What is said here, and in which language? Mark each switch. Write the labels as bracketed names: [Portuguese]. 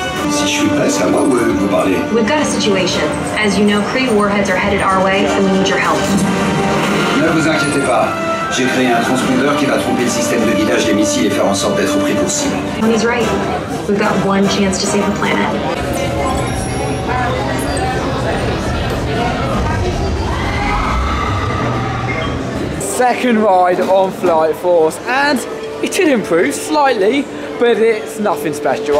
[French] Si je suis prêt, c'est à moi ou vous me parlez? [English] We've got a situation. As you know, Kree warheads are headed our way and we need your help. [French] Ne vous inquiétez pas. J'ai créé un transpondeur qui va tromper le système de guidage des missiles et faire en sorte d'être pris pour cible. [English] And he's right. We've got one chance to save the planet. Second ride on Flight Force, and it did improve slightly, but it's nothing special.